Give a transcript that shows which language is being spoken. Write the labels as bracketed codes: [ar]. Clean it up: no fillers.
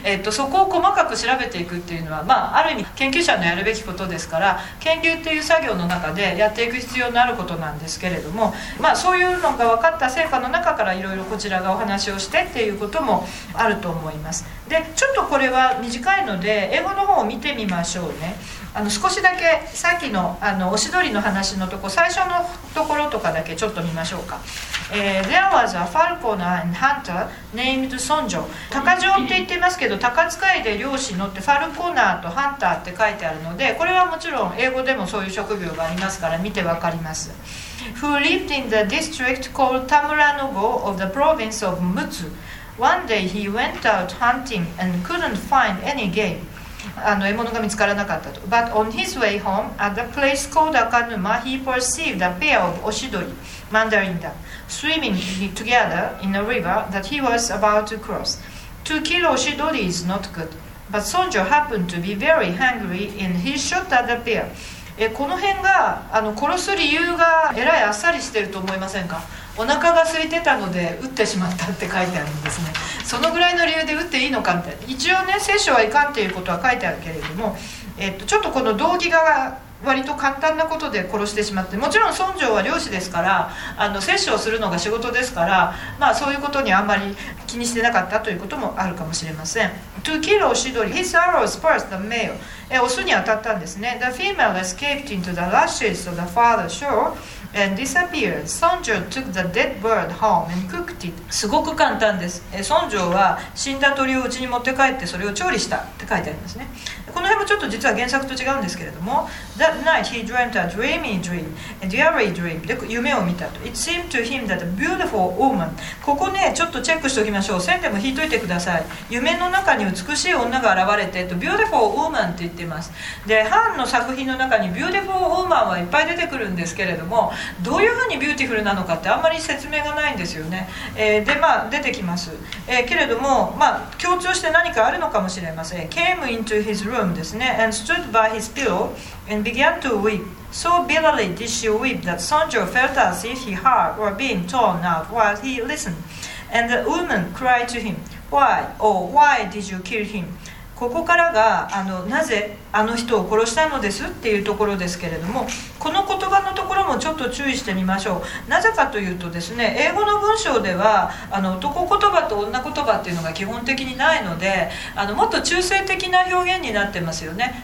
[ja] そこを細かく調べていくっていうのは、まあ、ある意味研究者のやるべきことですから、研究っていう作業の中でやっていく必要のあることなんですけれども、まあ、そういうのが分かった成果の中からいろいろこちらがお話をしてっていうこともあると思います。でちょっとこれは短いので英語の方を見てみましょうね。あの少しだけさっき の, あのおしどりの話のとこ、最初のところとかだけちょっと見ましょうか。 [en] There was a falcon and hunter named 村長。 [ja] 鷹匠って言ってますけど、鷹使いで漁師のって、ファルコナーとハンターって書いてあるので、これはもちろん英語でもそういう職業がありますから見てわかります。 [en] Who lived in the district called Tamuranogo of the province of Mutsu. One day he went out hunting and couldn't find any game. [ja] あの獲物が見つからなかったと。 [en] But on his way home at the place called Akanuma, he perceived a pair of oshidori, mandarinda, swimming together in a river that he was about to cross. To kill oshidori is not good, but Sonjo happened to be very hungry and he shot at the pair. [ja] この辺があの殺す理由がえらいあっさりしてると思いませんか。お腹が空いてたので撃ってしまったって書いてあるんですね。そのぐらいの理由で撃っていいのかって、一応ね聖書はいかんっていうことは書いてあるけれども、ちょっとこの動機が割と簡単なことで殺してしまって、もちろん村長は漁師ですから、あの聖書をするのが仕事ですから、まあそういうことにあんまり気にしてなかったということもあるかもしれません。 [en] To kill Oshidori, his arrows pierced the male. [ja] オスに当たったんですね。 [en] The female escaped into the rushes of the farther shoreAnd disappeared. Sonjo took the dead bird home and cooked it. [ja] すごく簡単です。 Sonjo は死んだ鳥を家に持って帰ってそれを調理したって書いてありますね。この辺もちょっと実は原作と違うんですけれども、 [en] That night he dreamt a dreamy dream, a dreary dream. [ja] で夢を見たと。 [en] It seemed to him that a beautiful woman. [ja] ここねちょっとチェックしておきましょう。線でも引いといてください。夢の中に美しい女が現れて、と beautiful woman って言ってます。でハンの作品の中に beautiful woman はいっぱい出てくるんですけれども、どういうふうにビューティフルなのかってあんまり説明がないんですよね、でまあ出てきます、けれどもまあ強調して何かあるのかもしれません。 [en] came into his room [ja] ですね [en] and stood by his pillow and began to weep so bitterly did she weep that Sanjo felt as if his heart were being torn out while he listened and the woman cried to him why oh why did you kill him。 [ja] ここからがあのなぜあの人を殺したのですっていうところですけれども、この言葉のところもちょっと注意してみましょう。なぜかというとですね、英語の文章ではあの男言葉と女言葉っていうのが基本的にないので、あのもっと中性的な表現になってますよね。